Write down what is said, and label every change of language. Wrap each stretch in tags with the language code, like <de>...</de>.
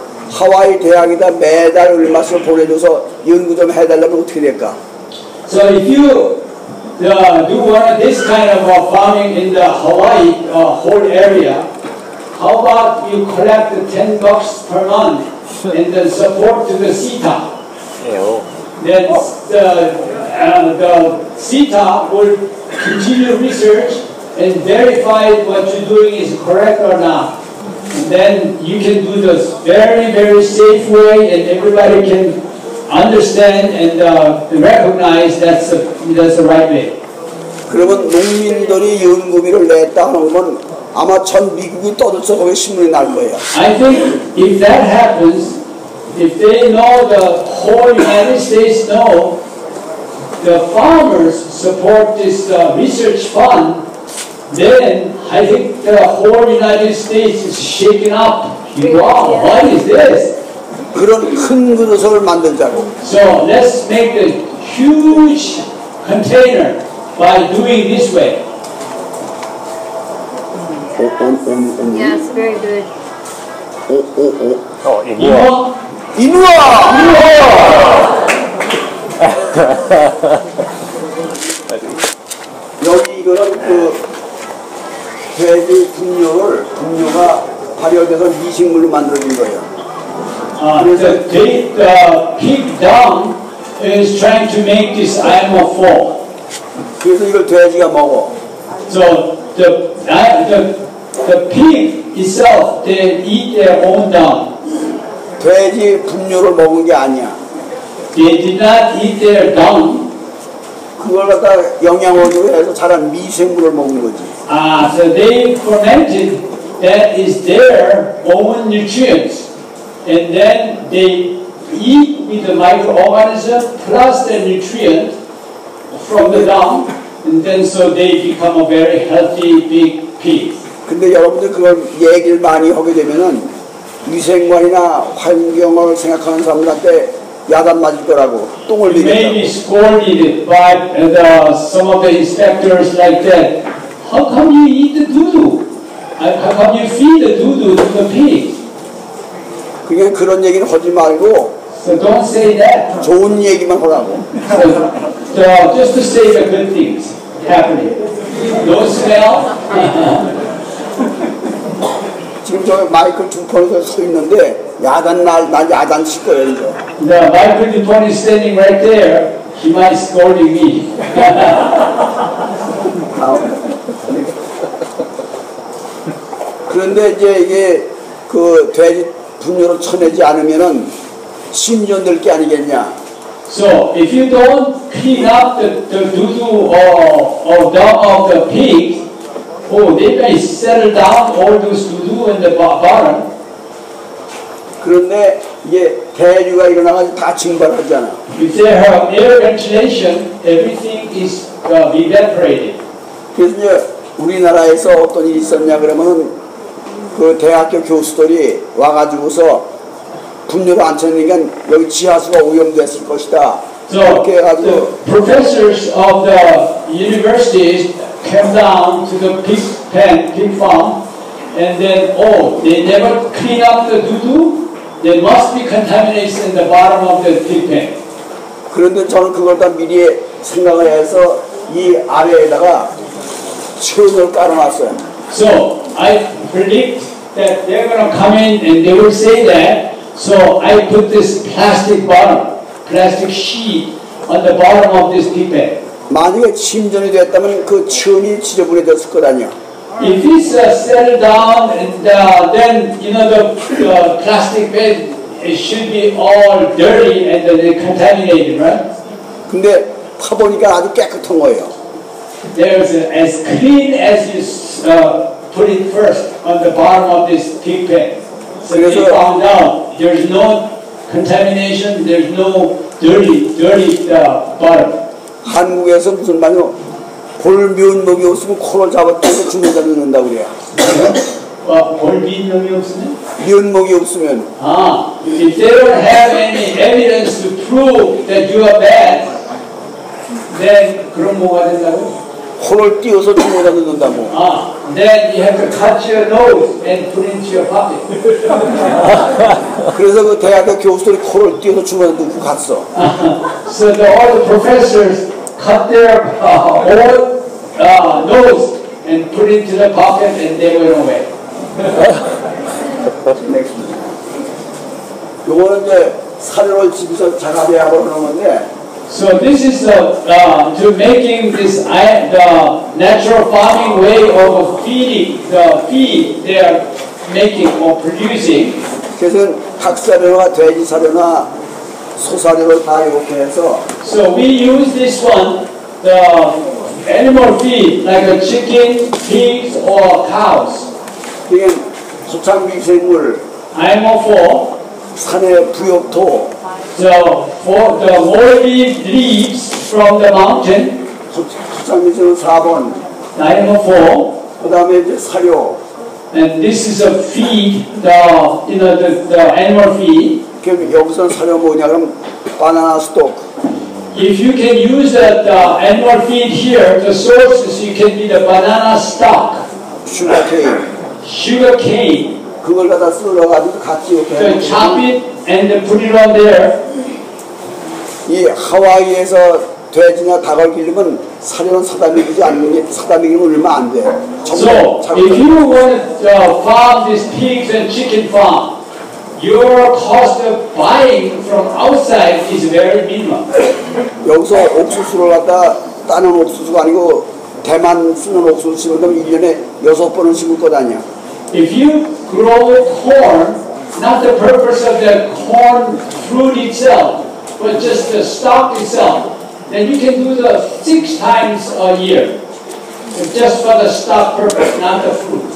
<ko>하와이 대학에다 매달 얼마씩 보내줘서 연구 좀 해달라면 어떻게 될까?</ko> <en>So if you do want this kind of farming in the Hawaii whole area, how about you collect $10 per month and then support to the CETA? Then the CETA will continue research and verify what you're doing is correct or not. And then you can do this very, very safe way, and everybody can understand and recognize that's the right way. 그러면 농민들이 연구비를 냈다 하면 아마 전 미국이 떠들어서 거기 신문이 날 거예요. I think if that happens, if they know the whole United States know the farmers support this research fund, then I think the whole United States is shaken up. Wow, what is this?</en> <ko>그런 큰 그릇을 만들자고.</ko> <en>So let's make a huge container by doing this way. Yes, very good. Oh, Inua! Inua! Inua!</en> <ko>돼지 분뇨를 분뇨가 발효돼서 미식물로 만들어진 거예요.</ko> <en>The pig dung is trying to make this animal fall.</en> <ko>그래서 이걸 돼지가 먹어.</ko> <en>So the pig itself, they eat their own dung.</en> <ko>돼지 분뇨를 먹은 게 아니야.</ko> <en>They did not eat their dung.</en> <ko>그걸 갖다 영양원으로 해서 자란 미생물을 먹는 거지.</ko> <en>So they fermented that is their own nutrients, and then they eat with the microorganism plus the nutrient from the dung, and then so they become a very healthy big pig.</en> <ko>근데 여러분들 그걸 얘기를 많이 하게 되면은 미생물이나 환경을 생각하는 사람들한테 야단 맞을 거라고 똥을 내.</ko> <en>Maybe scolded by some of the inspectors like that. How come you eat the doodoo? How come you feed the doodoo to the pig?</en> <ko>그냥 그런 얘기는 하지 말고.</ko> <en>So don't say that.</en> <ko>좋은 얘기만 하라고.</ko> <en>So just to say the good things happening. No smell.</en> <ko>지금 저 마이클 두폰에서 서 있는데 야단 날 야단 칠 거예요 이거.</ko> <en>The Michael DuPont is standing right there. He might scold me.</en> <ko>그런데 이제 이게 그 돼지 분뇨를 쳐내지 않으면은 심지어 늘 게 아니겠냐.</ko> <en>So if you don't clean up the doo-doo or dung of the pig, oh, they may settle down all those doo-doo in the bottom.</en> <ko>그런데 이게 대류가 일어나가지고 다 증발하잖아.</ko> <en>If they have air ventilation, everything is evaporated.</en> <ko>그래서 이제 우리나라에서 어떤 일이 있었냐 그러면은 그 대학교 교수들이 와가지고서 분뇨를 안 쳐내니까 여기 지하수가 오염됐을 것이다.</ko> <en>So,</en> <ko>이렇게 해가지고</ko> <en>the professors of the universities came down to the pig pen, pig farm, and then oh, they never clean up the doo-doo. There must be contamination in the bottom of the pig pen.</en> <ko>그런데 저는 그걸 다 미리 생각을 해서 이 아래에다가 철을 깔아놨어요.</ko> <en>So I predict that they're gonna come in and they will say that. So I put this plastic bottom, plastic sheet on the bottom of this pig pen.</en> <ko>만약에 침전이 됐다면 그 치운이 지저분해졌을 거라뇨.</ko> <en>If it's settled down, and then you know the plastic bed, it should be all dirty and contaminated, right?</en> <ko>근데 파보니까 아주 깨끗한 거예요.</ko> <en>There's as clean as you put it first on the bottom of this pig pen. So they found out there's no contamination, there's no dirty bottom.</en> <ko>한국에서 무슨 말이요? 볼미운 놈이 없으면 코를 잡아뜨고 죽는 자 넣는다 그래요. 아, 볼미운 놈이 없으면? 미운 놈이 없으면.</ko> <en>아, if they don't have any evidence to prove that you are bad, then</en> <ko>그럼 뭐가 된다고? 코를 띄워서 죽는 자 넣는다 뭐.</ko> <en>아, then you have to cut your nose and put into your pocket.</en> <ko>그래서 그 대학교 교수들이 코를 띄워서 죽는 자 넣고 갔어.</ko> <en>So the, all the professors cut their own nose and put into the pocket and they went away. Next.</en> <ko>요거는 이제 사료로 집에서 자가대학으로 하는 건데.</ko> <en>So this is to making this the natural farming way of feeding the feed they are making or producing.</en> <ko>그래서 닭사료나 돼지사료나 소사료로 다 이렇게 해서.</ko> <en>So we use this one, the animal feed, like a chicken, pigs, or cows.</en> <ko>이게 소창 미생물.</ko> <en>Animal for.</en> <ko>산의 부엽토.</ko> <en>So for the moldy leaves from the mountain.</en> <ko>소창 미생물 4번.</ko> <en>Animal for.</en> <ko>그다음에 이제 사료.</ko> <en>And this is a feed, the you know the animal feed.</en> <ko>여기서 사료 뭐냐 그럼 바나나 스톡.</ko> <en>If you can use that animal feed here, the sources you can be the banana stock. Sugar cane. Sugar cane.</en> <ko>그걸 갖다 썰어 가지고 같이 이렇게.</ko> <en>So chop it and put it on there.</en> <ko>이 하와이에서 돼지나 닭을 기르면 사료는 사다 먹이지 않는 게 사다 먹이면 얼마 안 돼.</ko> <en>So if you want to farm these pigs and chicken farm. Your cost of buying from outside is very minimal.</en> <ko>여기서 옥수수를 갖다 따는 옥수수가 아니고 대만 쓰는 옥수수 심으면 1년에 6번은 심을 거 아니야.</ko> <en>If you grow corn, not the purpose of the corn fruit itself, but just the stalk itself, then you can do the 6 times a year. Just for the stalk purpose, not the fruit.</en>